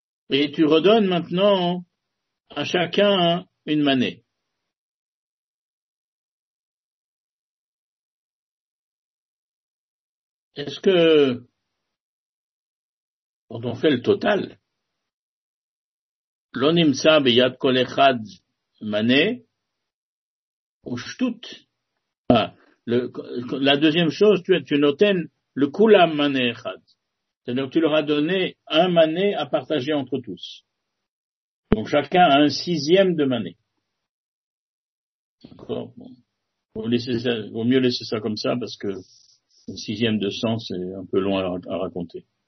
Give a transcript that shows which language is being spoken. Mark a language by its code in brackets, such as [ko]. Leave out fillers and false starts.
[fr] Et tu redonnes maintenant à chacun une manée. Est-ce que, quand on fait le total, [he] לא נמצא ביד כל אחד מנה, הוא שטות. [fr] La deuxième chose, tu notes le [he] kulam mané echad. [fr] C'est-à-dire que tu leur as donné un mané à partager entre tous. Donc chacun a un sixième de mané. D'accord? Bon. Vaut mieux laisser ça comme ça parce que le sixième de cent, c'est un peu long à raconter.